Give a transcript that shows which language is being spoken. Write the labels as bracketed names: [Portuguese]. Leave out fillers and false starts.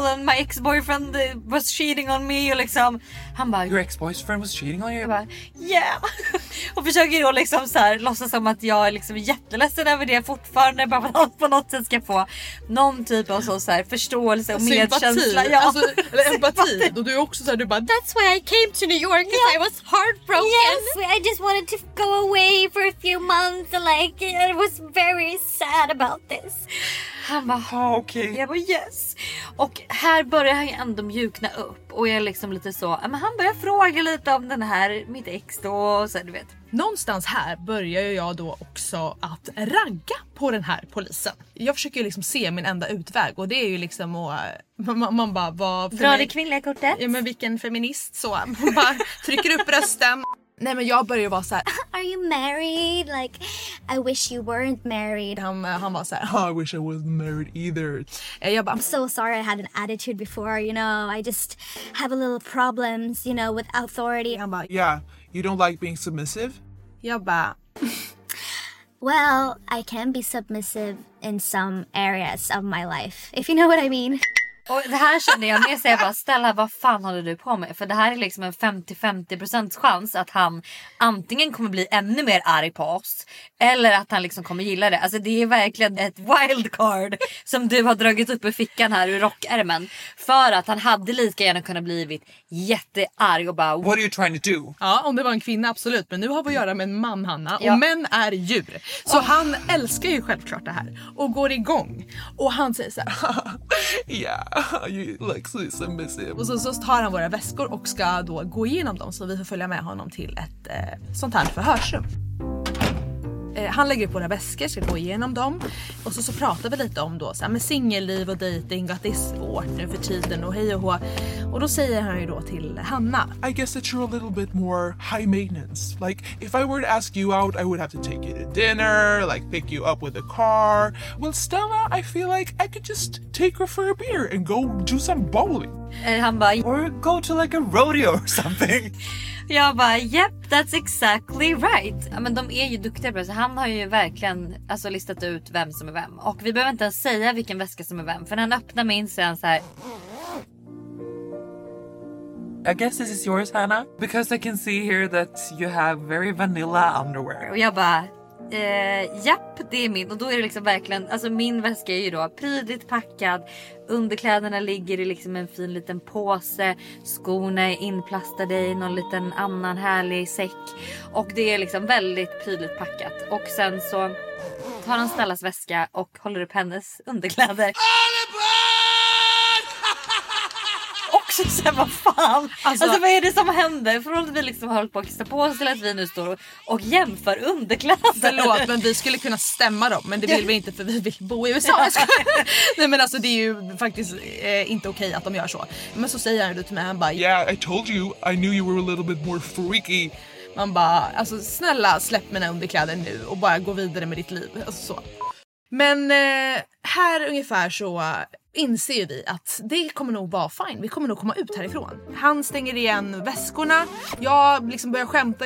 [English] And my ex-boyfriend was cheating on me. [Swedish] Och liksom, han bara, [English] your ex-boyfriend was cheating on you? [Swedish] Jag bara, yeah. Och försöker då liksom så här, låtsas som att jag är liksom jätteledsen över det fortfarande. Bara för att på något sätt ska få någon typ av så här förståelse och medkänsla. Ja. Alltså, eller empati. Och du är också så här, du bara, [English] that's why I came to New York. Because yeah. I was heartbroken. Yes, I just wanted to go away for a few months. Like, I was very sad about this. [Swedish] Han bara, ja, okej. Jag bara, yes. Och här börjar han ju ändå mjukna upp. Och jag är liksom lite så, men han börjar fråga lite om den här, mitt ex då, så du vet. Någonstans här börjar jag då också att ragga på den här polisen. Jag försöker ju liksom se min enda utväg. Och det är ju liksom att man bara, vad... Dra det kvinnliga kortet. Ja, men vilken feminist så. Man bara trycker upp rösten. Nej, men jag börjar vara så här, [English] are you married? Like, I wish you weren't married. [Swedish] Han bara så här, [English] I wish I wasn't married either. [Swedish] Jag bara, [English] I'm so sorry I had an attitude before, you know. I just have a little problems, you know, with authority. [Swedish] Han bara, [English] yeah, you don't like being submissive? [Swedish] Jag bara, [English] well, I can be submissive in some areas of my life, if you know what I mean. [Swedish] Och det här kände jag med sig, jag bara, Stella, vad fan håller du på med? För det här är liksom en 50-50% chans att han antingen kommer bli ännu mer arg på oss, eller att han liksom kommer gilla det. Alltså det är verkligen ett wildcard som du har dragit upp i fickan här ur rockärmen. För att han hade lika gärna kunnat blivit jättearg och bara, [English] what are you trying to do? [Swedish] Ja, om det var en kvinna, absolut. Men nu har vi att göra med en man, Hanna. Och ja, män är djur. Så oh, han älskar ju självklart det här. Och går igång. Och han säger så här, [English] ja. Yeah. You look so submissive. [Swedish] Och så tar han våra väskor och ska då gå igenom dem, så vi får följa med honom till ett sånt här förhörsrum. Han lägger upp våra väskor, ska gå igenom dem. Och så pratar vi lite om då så här, med singelliv och dejting, att det är svårt nu för tiden och hej och hå. Och då säger han ju då till Hanna, [English] I guess that you're a little bit more high maintenance. Like, if I were to ask you out, I would have to take you to dinner, like pick you up with a car. Well, Stella, I feel like I could just take her for a beer and go do some bowling. [Swedish] Han bara, [English] or go to like a rodeo or something. [Swedish] Jag bara, [English] yep, that's exactly right. [Swedish] Men de är ju duktiga på det. Så han har ju verkligen alltså listat ut vem som är vem. Och vi behöver inte ens säga vilken väska som är vem. För när han öppnar min så är han så här, [English] I guess this is yours, Hanna. Because I can see here that you have very vanilla underwear. [Swedish] Och jag bara, japp, det är min. Och då är det liksom verkligen, alltså min väska är ju då prydligt packad, underkläderna ligger i liksom en fin liten påse, skorna är inplastade i någon liten annan härlig säck, och det är liksom väldigt prydligt packat. Och sen så tar han Stellas väska och håller upp hennes underkläder. Sen, vad fan? Alltså vad är det som händer? För att vi liksom har hållit på att kissa på oss till att vi nu står och jämför underkläder. Förlåt, men vi skulle kunna stämma dem. Men det vill vi inte, för vi vill bo i USA. Nej, men alltså det är ju faktiskt inte okej att de gör så. Men så säger han till mig, han bara, [English] yeah, I told you, I knew you were a little bit more freaky. [Swedish] Man bara, alltså snälla, släpp mina underkläder nu och bara gå vidare med ditt liv. Alltså, så. Men här ungefär så inser vi att det kommer nog vara fine. Vi kommer nog komma ut härifrån. Han stänger igen väskorna. Jag liksom börjar skämta.